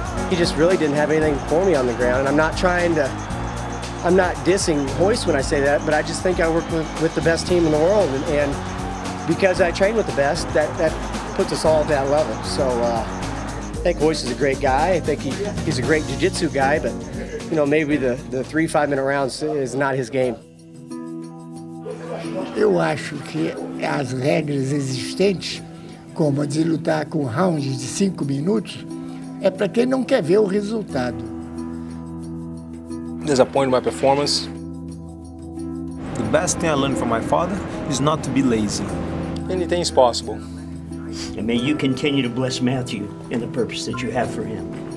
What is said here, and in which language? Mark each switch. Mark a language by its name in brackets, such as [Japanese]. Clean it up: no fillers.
[English] He just really didn't have anything for me on the ground, and I'm not dissing Royce when I say that, but I just think I work with the best team in the world, and because I train with the best, that puts us all at that level. So I think Royce is a great guy. I think he's a great jiu-jitsu guy, but you know, maybe the 3 5-minute rounds is not his game. [Portuguese] Eu acho que as regras existentes, como a de lutar com rounds de 5 minutos, é para quem não quer ver o resultado. [English] Disappointed my performance. The best thing I learned from my father is not to be lazy. Anything is possible. And may you continue to bless Matthew in the purpose that you have for him.